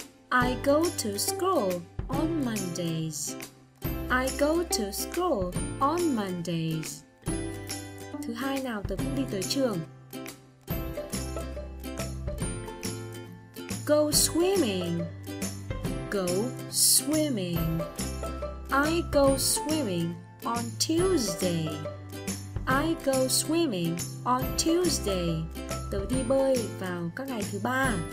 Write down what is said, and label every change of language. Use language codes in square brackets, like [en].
[en] I go to school on Mondays. I go to school on Mondays. [vi] Thứ hai nào, tớ cũng đi tới trường. [en] Go swimming. Go swimming. I go swimming on Tuesday. I go swimming on Tuesday. [vi] Tớ đi bơi vào các ngày thứ ba.